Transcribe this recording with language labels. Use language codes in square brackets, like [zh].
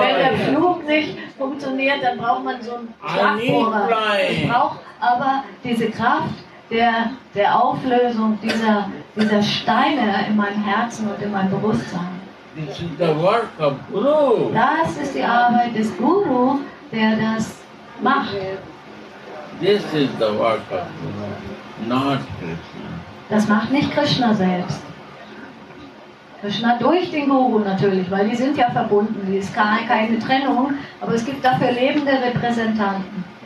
[de] Wenn der Pflug nicht funktioniert, dann braucht man so einen Traktor. Ich brauche aber diese Kraft der Auflösung dieser Steine in meinem Herzen und in meinem Bewusstsein. [en] This is the work of Guru. [de] Das ist die Arbeit des Guru, der das macht. [en] This is the work of Guru, not Krishna. [de] Das macht nicht Krishna selbst. Krishna durch den Guru natürlich, weil die sind ja verbunden, die ist keine Trennung, aber es gibt dafür lebende Repräsentanten.